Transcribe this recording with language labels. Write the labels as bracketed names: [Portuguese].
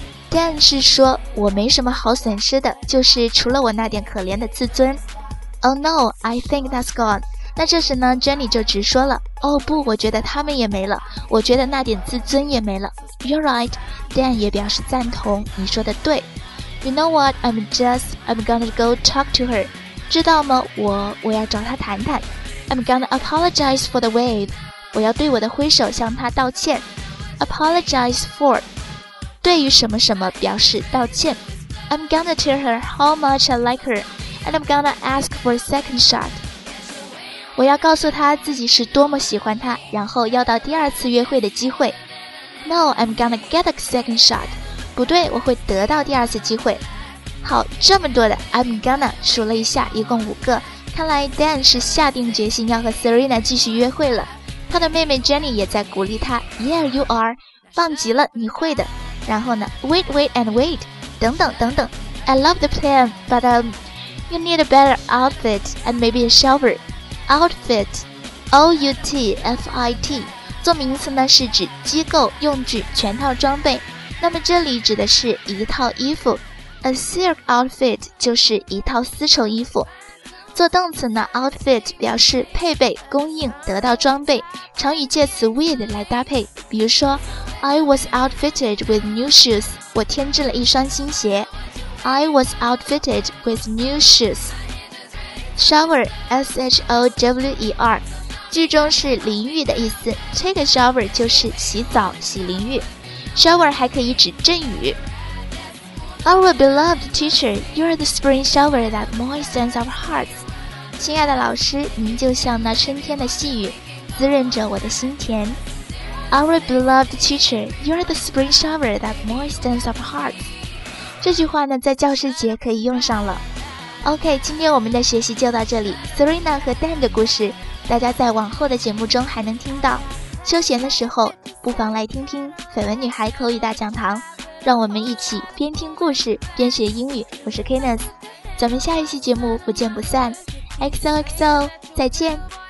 [Chinese] Dan 是说我没什么好损失的，就是除了我那点可怜的自尊。 [English] Oh no, I think that's gone. [Chinese] 那这时呢 ,Jenny 就直说了。Oh, 不，我觉得他们也没了。我觉得那点自尊也没了。 [English] You're right. [Chinese] Dan 也表示赞同，你说的对。 [English] You know what, I'm gonna go talk to her. [Chinese] 知道吗，我要找她谈谈。 [English] I'm gonna apologize for the wave. [Chinese] 我要对我的挥手向他道歉。 [English] Apologize for [Chinese] 对于什么什么表示道歉。 [English] I'm gonna tell her how much I like her, and I'm gonna ask for a second shot. [Chinese] 我要告诉她自己是多么喜欢她，然后要到第二次约会的机会。 [English] No, I'm gonna get a second shot. [Chinese] 不对，我会得到第二次机会。好，这么多的 [English] I'm gonna [Chinese] 数了一下，一共五个。看来 Dan 是下定决心要和 Serena 继续约会了。他的妹妹 Jenny 也在鼓励他 [English] Yeah, you are [Chinese] 棒极了，你会的。然后呢 [English] Wait, wait and wait [Chinese] 等等等等 [English] I love the plan, but you need a better outfit and maybe a shower. [Chinese] Outfit O-U-T-F-I-T 做名词呢是指机构、用具、全套装备，那么这里指的是一套衣服。 A silk outfit 就是一套丝绸衣服。做动词呢 ,outfit 表示配备、供应、得到装备，常与介词 with 来搭配。比如说 [English] ,I was outfitted with new shoes, [Chinese] 我添置了一双新鞋。 [English] I was outfitted with new shoes. [Chinese] Shower, S-H-O-W-E-R, 句中是淋浴的意思 , [English] take a shower [Chinese] 就是洗澡、洗淋浴。 Shower 还可以指阵雨。 [English] Our beloved teacher, you're the spring shower that moistens our hearts. [Chinese] 亲爱的老师，您就像那春天的细雨，滋润着我的心田。 [English] Our beloved teacher, you're the spring shower that moistens our hearts. [Chinese] 这句话呢，在教师节可以用上了。OK, 今天我们的学习就到这里。 Serena 和 Dan 的故事，大家在往后的节目中还能听到。休闲的时候，不妨来听听绯闻女孩口语大讲堂。让我们一起边听故事边学英语，我是 Kenneth, 咱们下一期节目不见不散 XOXO, 再见。